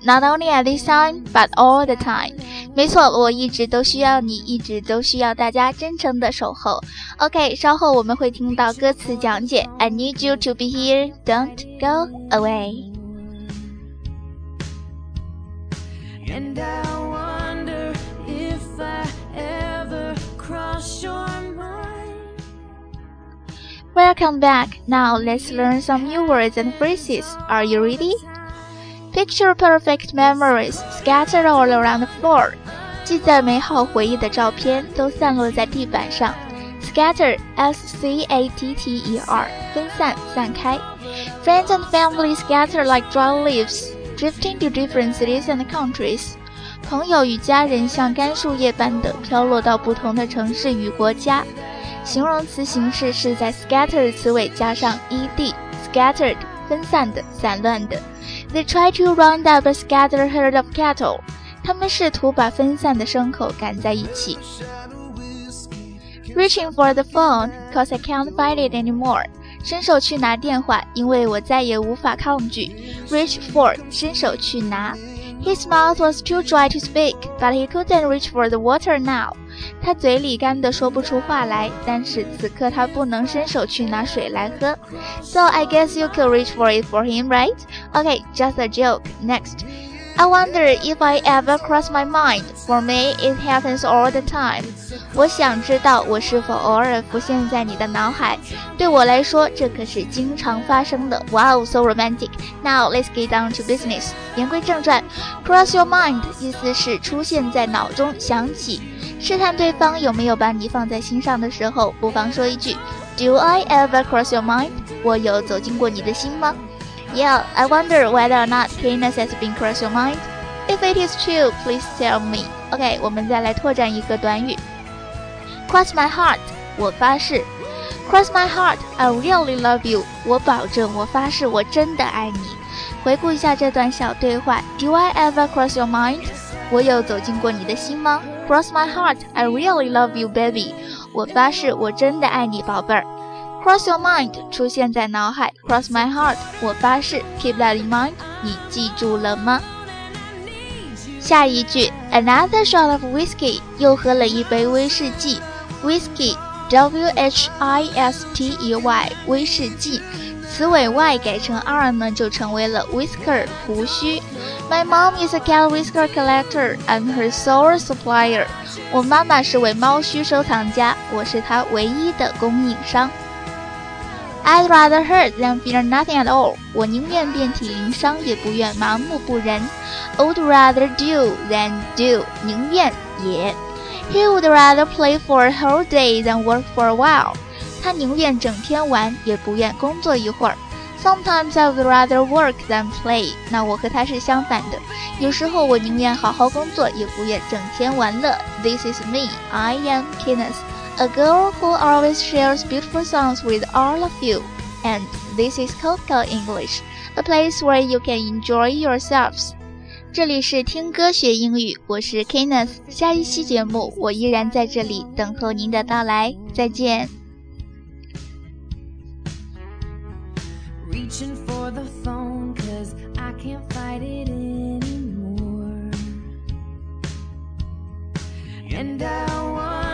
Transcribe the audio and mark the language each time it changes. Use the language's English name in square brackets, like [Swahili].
[English] Not only at this time, but all the time. [Chinese] 没错，我一直都需要你，一直都需要大家真诚的守候。 OK, 稍后我们会听到歌词讲解。 [English] I need you to be here, don't go away. And I wonder if I ever cross your mind. Welcome back. Now let's learn some new words and phrases. Are you ready? Picture perfect memories scattered all around the floor. [Chinese] 记载美好回忆的照片都散落在地板上。 Scatter, S-C-A-T-T-E-R, 分散、散开。 [English] Friends and family scatter like dry leaves, drifting to different cities and countries. [Chinese] 朋友与家人像干树叶般的飘落到不同的城市与国家。形容词形式是在 scatter 词尾加上 ed, scattered, 分散的、散乱的。 [English] They try to round up a scattered herd of cattle. [Chinese] 他们试图把分散的牲口赶在一起。 [English] Reaching for the phone, cause I can't find it anymore. [Chinese] 伸手去拿电话，因为我再也无法抗拒。 Reach for, 伸手去拿。 [English] His mouth was too dry to speak, but he couldn't reach for the water now. [Chinese] 他嘴里干得说不出话来，但是此刻他不能伸手去拿水来喝。 [English] So I guess you could reach for it for him, right? Okay, just a joke. Next. I wonder if I ever cross my mind. For me, it happens all the time. [Chinese] 我想知道我是否偶尔浮现在你的脑海。对我来说，这可是经常发生的。 [English] Wow, so romantic. Now, let's get down to business. [Chinese] 言归正传， [English] cross your mind [Chinese] 意思是出现在脑中，想起。试探对方有没有把你放在心上的时候，不妨说一句 [English] Do I ever cross your mind? [Chinese] 我有走进过你的心吗？ [English] Yeah, I wonder whether or not Kenneth has been cross your mind. If it is true, please tell me. [Chinese] OK, 我们再来拓展一个短语。 [English] Cross my heart, [Chinese] 我发誓。 [English] Cross my heart, I really love you. [Chinese] 我保证，我发誓，我真的爱你。回顾一下这段小对话， [English] Do I ever cross your mind? [Chinese] 我有走进过你的心吗？ [English] Cross my heart, I really love you, baby. [Chinese] 我发誓我真的爱你，宝贝儿。 Cross your mind, 出现在脑海。Cross my heart, 我发誓。 [English] Keep that in mind, [Chinese] 你记住了吗？下一句， [English] Another shot of whiskey, [Chinese] 又喝了一杯威士忌。 Whiskey, W-H-I-S-T-E-Y, 威士忌。词尾 y 改成 r 呢，就成为了 whisker 胡须。 [English] My mom is a cat whisker collector. I'm her sole supplier. [Chinese] 我妈妈是位猫须收藏家，我是她唯一的供应商。 [English] I'd rather hurt than fear nothing at all. [Chinese] 我宁愿遍体鳞伤，也不愿麻木不仁。 [English] I'd rather do than do. [Chinese] 宁愿也。 [English] He would rather play for a whole day than work for a while. [Chinese] 他宁愿整天玩，也不愿工作一会儿。 [English] Sometimes I would rather work than play. [Chinese] 那我和他是相反的。有时候我宁愿好好工作，也不愿整天玩乐。 [English] This is me. I am Kenneth, a girl who always shares beautiful songs with all of you. And this is Coco English, a place where you can enjoy yourselves. [Chinese] 这里是听歌学英语，我是 Kenneth. 下一期节目，我依然在这里等候您的到来。再见。 [English] Reaching for the phone, 'cause I can't fight it anymore. And I want